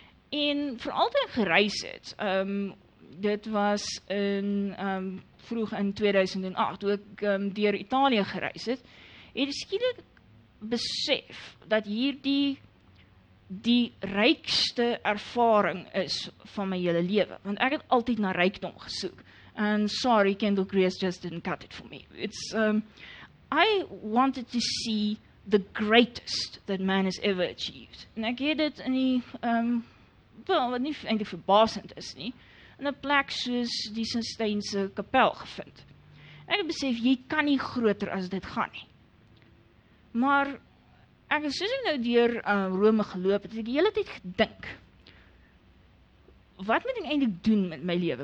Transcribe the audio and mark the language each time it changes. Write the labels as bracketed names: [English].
[Afrikaans] En veral toe ek gereis het, dit was in vroeg in 2008, toe ek deur Italië gereis het, het ek skielik besef dat hierdie die rykste ervaring is van my hele lewe. Want ek het altyd na rykdom gesoek. [English] And sorry, Kendall Grace just didn't cut it for me. It's I wanted to see the greatest that man has ever achieved. [Afrikaans] En ek het dit in die, wat nie eintlik verbasend is nie, in 'n plek soos die Sistijnse kapel gevind. Ek het besef, jy kan nie groter as dit gaan nie. Maar, ek het soos ek nou deur Rome geloop, het ek die hele tyd gedink, wat moet ek eintlik doen met my lewe?